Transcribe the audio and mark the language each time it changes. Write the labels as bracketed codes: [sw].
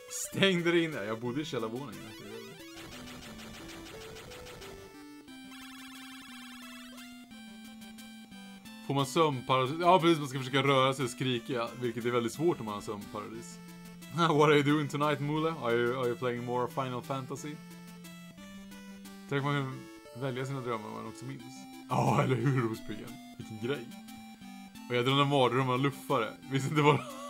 [sv] Stängde det in där. Jag bodde i källarvåningen. Får man sömnparalys? Ja, precis. Man ska försöka röra sig och skrika. Vilket är väldigt svårt om man har sömnparalys. [en] What are you doing tonight, Mule? Are you playing more Final Fantasy? [sv] Tänk man kan välja sina drömmar om man också minns. Ja, eller hur, Rosbyggen? Vilken grej. Och jag drömde mardröm och luffare. Visst inte bara...